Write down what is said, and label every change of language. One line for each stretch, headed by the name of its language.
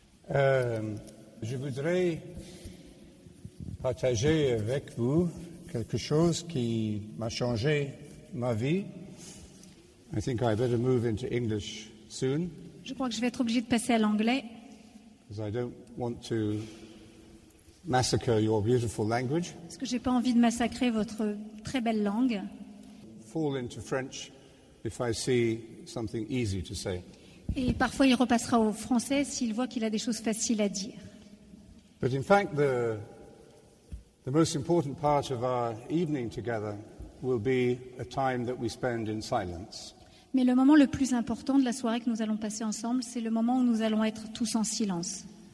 French: Je voudrais partager avec vous quelque chose qui m'a changé ma vie.
English: I think I better move into English soon.
French: Je crois que je vais être obligée de passer à l'anglais.
English: Because I don't want to massacre your beautiful language.
French: Parce que j'ai pas envie de massacrer votre très belle langue.
English: Fall into French if I see something easy to say.
French: Et parfois il repassera au français s'il voit qu'il a des choses faciles à dire.
English: But in fact, the most important part of our evening together will be a time that we spend in silence.
French: Mais le moment le plus important de la soirée que nous allons passer ensemble, c'est le moment où nous allons être tous en silence.